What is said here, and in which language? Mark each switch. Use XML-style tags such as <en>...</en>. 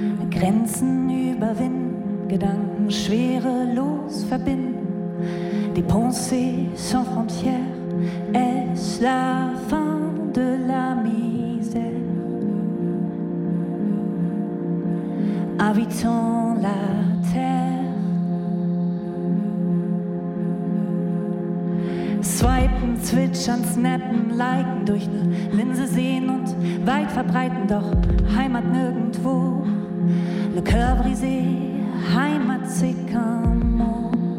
<de>Grenzen überwinden, Gedanken schwerelos verbinden.</de> <fr>Die pensées sans frontières, est-ce la fin de la misère? Habitons la terre.</fr> <de>Swipen, zwitschern, snappen, liken, durch ne Linse sehen und weit verbreiten, doch Heimat nirgendwo.</de> <fr>Le cœur brisé, Heimat c'est un mot.</fr>